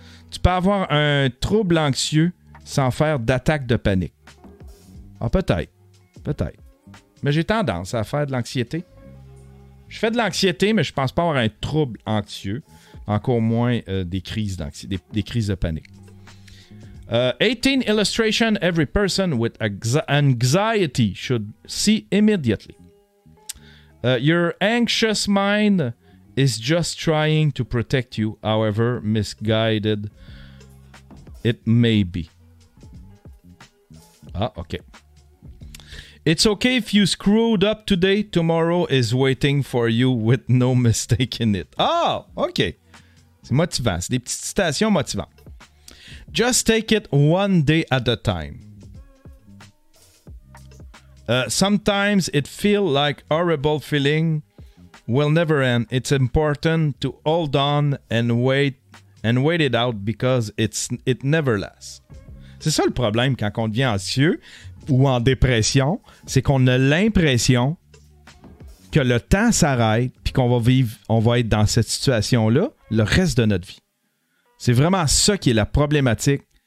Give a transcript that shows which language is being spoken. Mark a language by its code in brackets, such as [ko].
[fr] Tu peux avoir un trouble anxieux sans faire d'attaque de panique. Ah, peut-être. Peut-être. Mais j'ai tendance à faire de l'anxiété. Je fais de l'anxiété, mais je pense pas avoir un trouble anxieux. Encore moins des crises d'anxiété, des crises de panique. [en] 18 illustration every person with anxiety should see immediately. Your anxious mind is just trying to protect you, however misguided it may be. Ah, okay. It's okay if you screwed up today. Tomorrow is waiting for you with no mistake in it. [fr] Ah, okay. C'est motivant. C'est des petites citations motivantes. [en] Just take it one day at a time. Sometimes it feels like horrible feeling will never end. It's important to hold on and wait it out because it never lasts. [fr] C'est ça le problème quand on devient anxieux ou en dépression, c'est qu'on a l'impression que le temps s'arrête puis qu'on va vivre, on va être dans cette situation-là le reste de notre vie. C'est vraiment ça qui est la problématique.